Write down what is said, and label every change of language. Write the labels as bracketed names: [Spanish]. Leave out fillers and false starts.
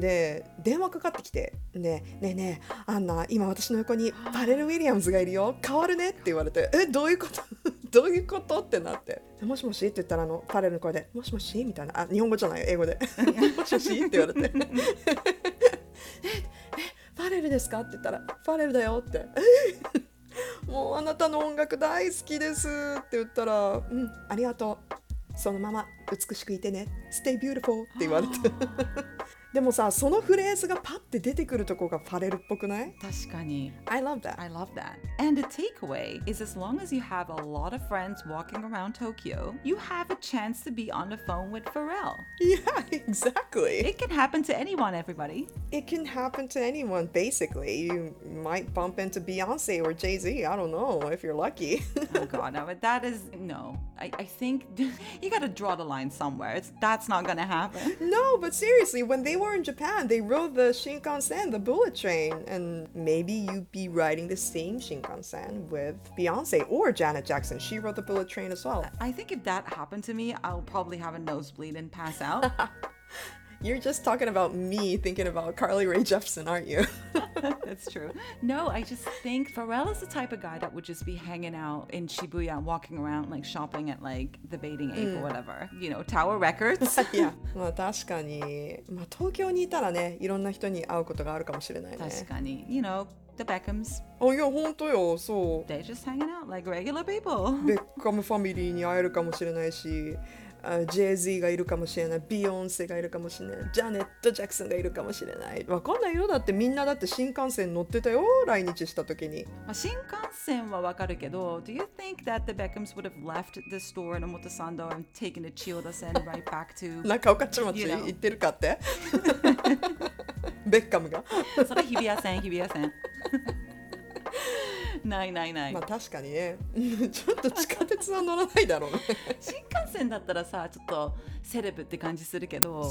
[Japanese] で電話かかってきて、ね、ねえねえアンナ、今私の横にパレル・ウィリアムズがいるよ、変わるねって言われて、えどういうことどういうことってなって、もしもしって言ったら、あのパレルの声でもしもしみたいな、あ日本語じゃない英語でもしもしって言われてえパレルですかって言ったら、パレルだよって、もうあなたの音楽大好きですって言ったら、うん、ありがとう、そのまま美しくいてね、 [English] Stay beautiful [Japanese] って言われて、でもさ、そのフレーズがパッて出てくるとこがファレルっぽくない？確かに。 [English] I love that. I love that. And the takeaway is, as long as you have a lot of friends walking around Tokyo, you have a chance to be on the phone with Pharrell. Yeah, exactly. It can happen to anyone, everybody. It can happen to anyone, basically. You might bump into Beyonce or Jay-Z, I don't know, if you're lucky. Oh god, no, but that is, no. I think you gotta draw the line somewhere. That's not gonna happen. No, but seriously, when they were in Japan, they rode the Shinkansen, the bullet train, and maybe you'd be riding the same Shinkansen with Beyonce or Janet Jackson. She rode the bullet train as well. I think if that happened to me, I'll probably have a nosebleed and pass out. You're just talking about me thinking about Carly Rae Jepsen, aren't you? That's true. No, I just think Pharrell is the type of guy that would just be hanging out in Shibuya, walking around, like shopping at like the Bathing Ape or whatever. You know, Tower Records. Yeah, [Japanese] まあ確かに。まあ東京にいたらね、いろんな人に会うことがあるかもしれないね。確かに。 [English] You know, the Beckhams. [Japanese] あ、いや、本当よ、そう。 [English] They're just hanging out like regular people. [Japanese] ベッカムファミリーに会えるかもしれないし、Jay-Z がいるかもしれない、ビヨンセがいるかもしれない、ジャネット・ジャクソンがいるかもしれない、わかんないよ、だってみんなだって新幹線乗ってたよ、来日した時に。まあ、新幹線はわかるけど、 [English] Do you think that the Beckhams would have left the store in Omotesando and taken a Chiyoda-sen right back to [Japanese] 中岡町行ってるかってベッカムがそれ日比谷線、日比谷線ないないない、まあ確かにねちょっと地下鉄は乗らないだろうね新幹線だったらさ、ちょっとセレブって感じするけど、